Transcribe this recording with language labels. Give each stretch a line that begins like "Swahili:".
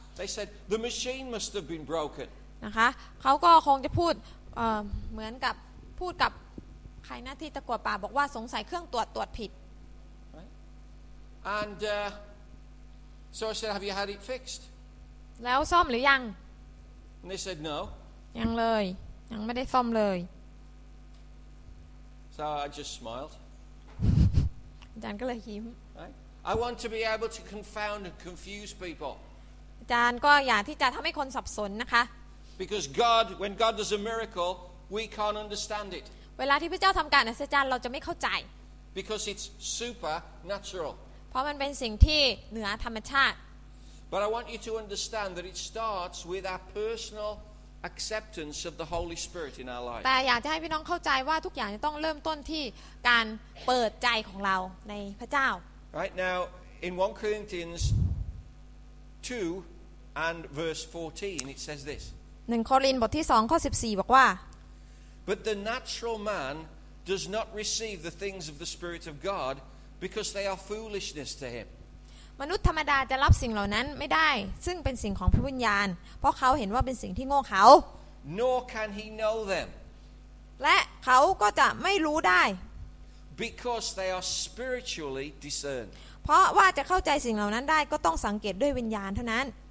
English: They said the machine must have been broken.
Thai: นะคะเขาก็คงจะพูดเหมือนกับพูดกับใครหน้าที่ตะกัวป่าบอกว่าสงสัยเครื่องตรวจผิด
English: And so I said have you had it fixed
Thai: แล้วซ่อมหรือยัง
English: And they said no
Thai: ยังเลยยังไม่ได้ซ่อมเลย
English: So I just smiled
Thai: าจารย์ก็เลยยิ้ม
English: I want to be able to confound and confuse people
Thai: อาจารย์ก็อยากที่จะทำให้คนสับสนนะคะ
English: Because God when God does a miracle we can't understand it
Thai: เวลาที่พระเจ้าทำการอัศจรรย์เราจะไม่เข้าใจ
English: Because it's supernatural
Thai: เพราะมันเป็นสิ่งที่เหนือธรรมชาติ
English: But I want you to understand that it starts with our personalacceptance of the Holy Spirit in our life
Thai: แต่อยากจะให้พี่น้องเข้าใจว่าทุกอย่างจะต้องเริ่มต้นที่การเปิดใจของเราในพระเจ้า
English: Right now in 1 Corinthians 2 and verse 14 it says this
Thai: 1 โครินธ์บทที่2ข้อ14บอกว่า
English: But the natural man does not receive the things of the Spirit of God because they are foolishness to him
Thai: มนุษย์ธรรมดาจะรับสิ่งเหล่านั้นไม่ได้ซึ่งเป็นสิ่งของพระวิญญาณเพราะเขาเห็นว่าเป็นสิ่งที่โง่เขา
English: Nor can he know them
Thai: และเขาก็จะไม่รู้ได้
English: Because they are spiritually discerned
Thai: เพราะว่าจะเข้าใจสิ่งเหล่านั้นได้ก็ต้องสังเกตด้วยวิญญาณเท่านั้น